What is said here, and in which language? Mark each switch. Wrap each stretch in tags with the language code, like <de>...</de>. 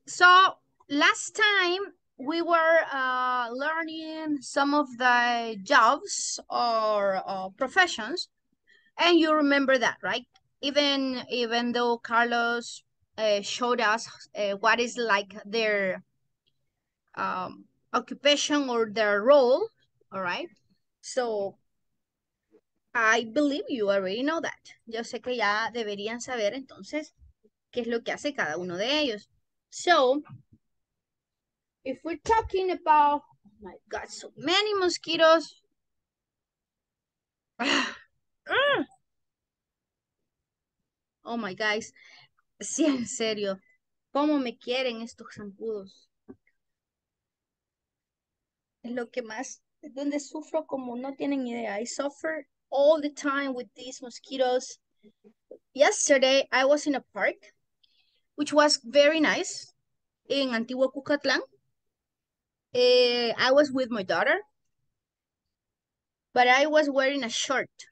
<en>So last time we were learning some of the jobs or professions, and you remember that, right? Even though Carlos showed us what is like their occupation or their role, all right? So I believe you already know that.</en> <es>Yo sé que ya deberían saber entonces qué es lo que hace cada uno de ellos.</es> <en>So, if we're talking about, oh my God, so many mosquitoes. Oh my guys,</en> <es>sí, en serio, cómo me quieren estos zancudos. Es lo que más, es donde sufro como no tienen idea.</es> <en>I suffer all the time with these mosquitoes. Yesterday, I was in a park, which was very nice, in Antigua Cucatlán. I was with my daughter, but I was wearing a short.</en>